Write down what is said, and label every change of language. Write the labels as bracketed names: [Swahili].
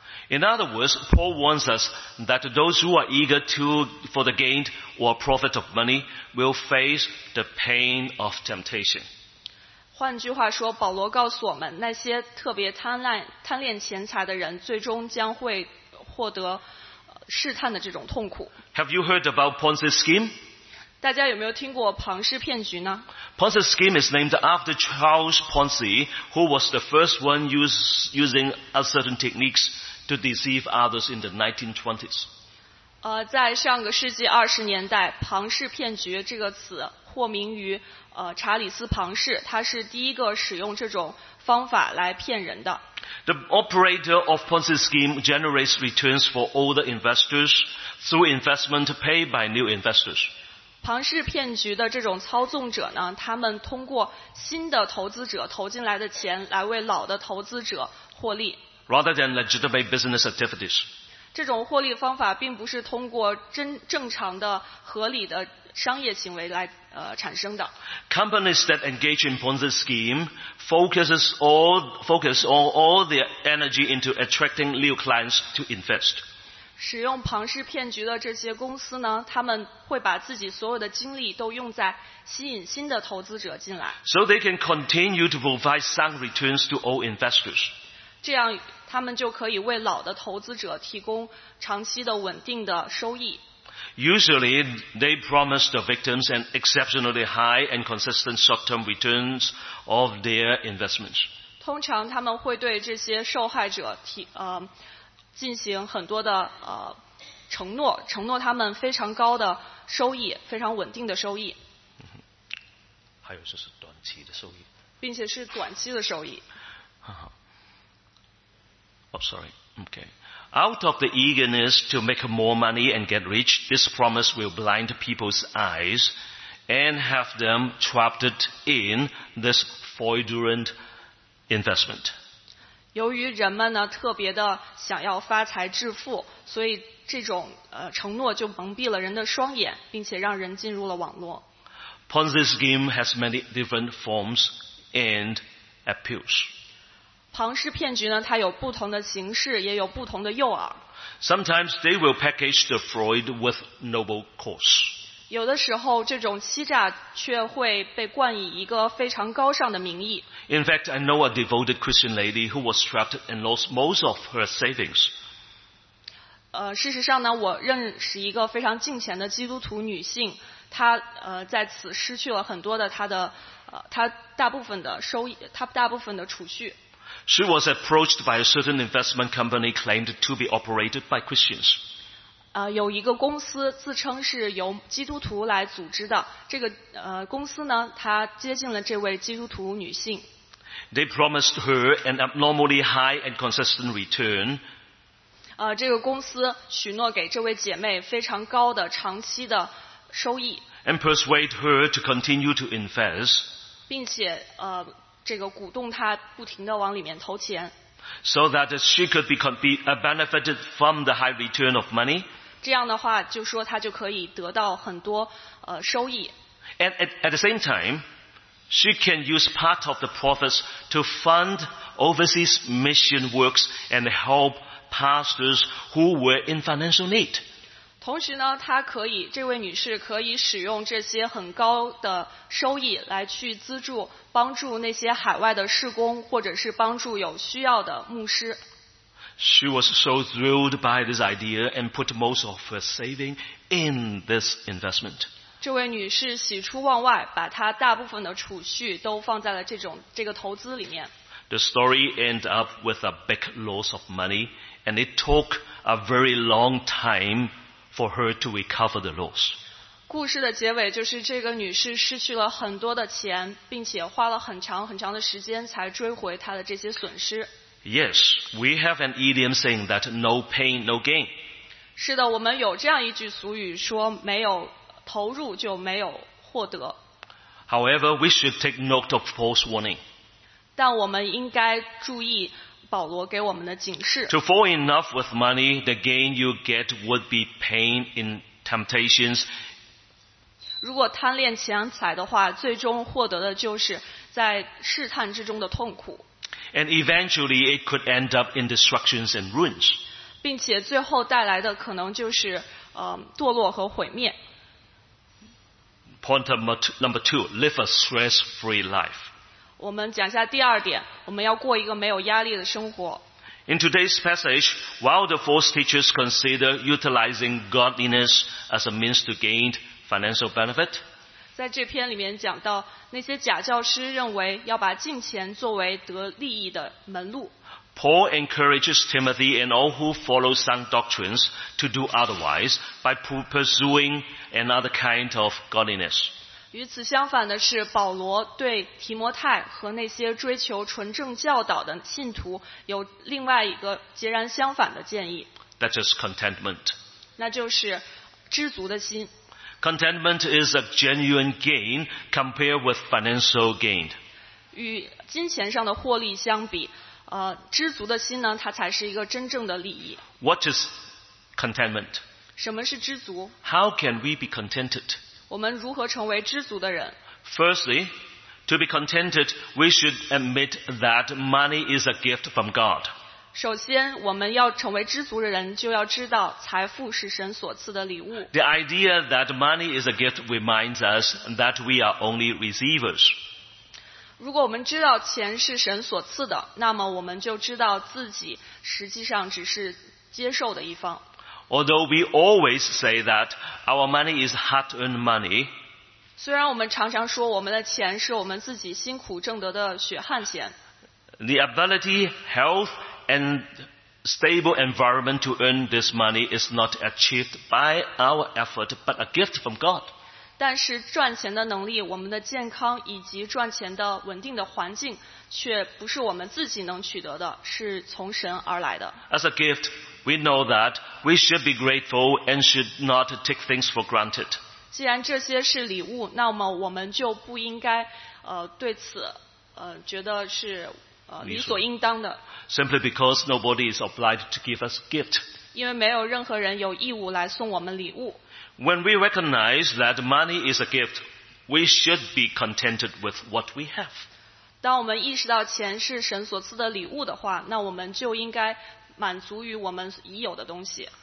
[English] In other words, Paul warns us that those who are eager for the gain or profit of money will face the pain of temptation. [Chinese] 换句话说，保罗告诉我们，那些特别贪恋钱财的人，最终将会获得试探的这种痛苦。 [English] Have you heard about Ponzi scheme? [Chinese] 大家有没有听过庞氏骗局呢？ [English] Ponzi scheme is named after Charles Ponzi, who was the first one using certain techniques. To deceive others in the 1920s. [Chinese] 在上个世纪二十年代，庞氏骗局这个词获名于查理斯庞氏，他是第一个使用这种方法来骗人的。 [English] The operator of Ponzi scheme generates returns for older investors through investment paid by new investors. [Chinese] 庞氏骗局的这种操纵者呢，他们通过新的投资者投进来的钱来为老的投资者获利。 [English] Rather than legitimate business activities. [Chinese] 这种获利方法并不是通过正常的合理的商业行为来产生的。 [English] Companies that engage in Ponzi scheme focus all their energy into attracting new clients to invest. [Chinese] 使用庞氏骗局的这些公司呢，他们会把自己所有的精力都用在吸引新的投资者进来。 [English] So they can continue to provide sound returns to all investors. [Chinese] 这样他们就可以为老的投资者提供长期的稳定的收益。 [English] Usually, they promise the victims an exceptionally high and consistent short-term returns of their investments. [Chinese] 通常他们会对这些受害者进行很多的承诺他们非常高的收益，非常稳定的收益。还有就是短期的收益。并且是短期的收益。 [English] Oh, sorry. Okay. Out of the eagerness to make more money and get rich, this promise will blind people's eyes and have them trapped in this fraudulent investment. [Chinese] 由于人们呢特别的想要发财致富，所以这种承诺就蒙蔽了人的双眼，并且让人进入了网络。 [English] Ponzi scheme has many different forms and appeals. [Chinese] 庞氏骗局呢，它有不同的形式，也有不同的诱饵。 [English] Sometimes they will package the fraud with noble cause. [Chinese] 有的时候，这种欺诈却会被冠以一个非常高尚的名义。 [English] In fact, I know a devoted Christian lady who was trapped and lost most of her savings. [Chinese] 事实上呢，我认识一个非常敬虔的基督徒女性，她在此失去了很多的她大部分的储蓄。 [English] She was approached by a certain investment company claimed to be operated by Christians. [Chinese] 有一个公司自称是由基督徒来组织的。这个公司呢，他接近了这位基督徒女性。 [English] They promised her an abnormally high and consistent return. [Chinese] 这个公司许诺给这位姐妹非常高的长期的收益。 [English] And persuade her to continue to invest. [Chinese] 并且这个鼓动他不停地往里面投钱 [English] ，so that she could be benefited from the high return of money。 [Chinese] 这样的话，就说他就可以得到很多收益。 [English] And at the same time, she can use part of the profits to fund overseas mission works and help pastors who were in financial need。 [Chinese] 同时呢，她可以，这位女士可以使用这些很高的收益来去资助、帮助那些海外的事工，或者是帮助有需要的牧师。 [English] She was so thrilled by this idea and put most of her saving in this investment. [Chinese] 这位女士喜出望外，把她大部分的储蓄都放在了这个投资里面。 [English] The story ended up with a big loss of money, and it took a very long time. For her to recover the loss. [Chinese] 故事的结尾就是这个女士失去了很多的钱，并且花了很长很长的时间才追回她的这些损失。 [English] Yes, we have an idiom saying that no pain, no gain. [Chinese] 是的，我们有这样一句俗语说，没有投入就没有获得。 [English] However, we should take note of Paul's warning. [Chinese] 但我们应该注意保罗给我们的警示。 [English] To fall in love with money, the gain you get would be pain in temptations. [Chinese] 如果贪恋钱财的话，最终获得的就是在试探之中的痛苦。 [English] And eventually it could end up in destructions and ruins. [Chinese] 并且最后带来的可能就是堕落和毁灭。 [English] Point number two, live a stress-free life. [Chinese] 我们讲一下第二点，我们要过一个没有压力的生活。 [English] In today's passage, while the false teachers consider utilizing godliness as a means to gain financial benefit, [Chinese] 在这篇里面讲到，那些假教师认为要把敬虔作为得利益的门路。 [English] Paul encourages Timothy and all who follow sound doctrines to do otherwise by pursuing another kind of godliness. [Chinese] 与此相反的是，保罗对提摩太和那些追求纯正教导的信徒有另外一个截然相反的建议。 [English] That is contentment. [Chinese] 那就是知足的心。 [English] Contentment is a genuine gain compared with financial gain. [Chinese] 与金钱上的获利相比，知足的心呢，它才是一个真正的利益。 [English] What is contentment? [Chinese] 什么是知足？ [English] How can we be contented? [Chinese] 我们如何成为知足的人？ [English] Firstly, to be contented, we should admit that money is a gift from God. [Chinese] 首先，我们要成为知足的人，就要知道财富是神所赐的礼物。 [English] The idea that money is a gift reminds us that we are only receivers. [Chinese] 如果我们知道钱是神所赐的，那么我们就知道自己实际上只是接受的一方。 [English] Although we always say that our money is hard-earned money, [Chinese] 虽然我们常常说我们的钱是我们自己辛苦挣得的血汗钱。 [English] The ability, health, and stable environment to earn this money is not achieved by our effort, but a gift from God. [Chinese] 但是赚钱的能力，我们的健康以及赚钱的稳定的环境，却不是我们自己能取得的，是从神而来的。 [English] As a gift,We know that we should be grateful and should not take things for granted. [Chinese] 既然这些是礼物，那么我们就不应该对此觉得是理所应当的。 [English] Simply because nobody is obliged to give us gift. [Chinese] 因为没有任何人有义务来送我们礼物。 [English] When we recognize that money is a gift, we should be contented with what we have. [Chinese] 当我们意识到钱是神所赐的礼物的话，那我们就应该满足于我们已有的东西。